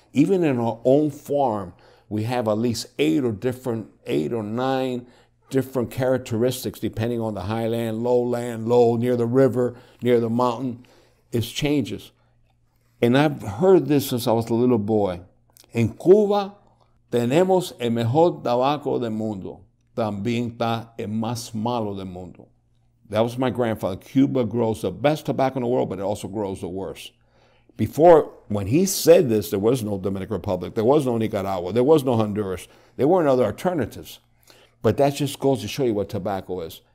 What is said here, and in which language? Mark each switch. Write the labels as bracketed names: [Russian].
[English] Even in our own farm, we have at least 8 or 9 different characteristics depending on the highland, lowland, low, near the river, near the mountain. It changes. And I've heard this since I was a little boy. [Spanish] En Cuba, tenemos el mejor tabaco del mundo. También está el más malo del mundo. [English] That was my grandfather. Cuba grows the best tobacco in the world, but it also grows the worst. Before, when he said this, there was no Dominican Republic. There was no Nicaragua. There was no Honduras. There weren't other alternatives. But that just goes to show you what tobacco is.